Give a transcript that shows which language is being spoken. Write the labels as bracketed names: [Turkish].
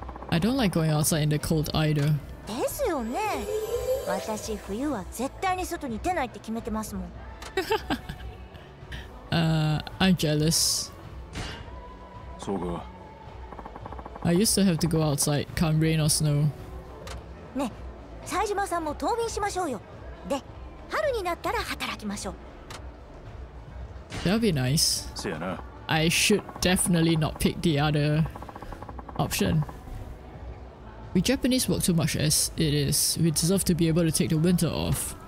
[English] I don't like going outside in the cold either. [Japanese] ですよね。私冬は絶対に外に出ないって決めてますもん。 [English] I'm jealous. [Japanese] そうか。 [English] I used to have to go outside, come rain or snow. [Japanese] ね、サイジマさんも冬眠しましょうよ。で、春になったら働きましょう。 [English] That'll be nice. [Japanese] せやな。 [English] I should definitely not pick the other option. We Japanese work too much as it is. We deserve to be able to take the winter off.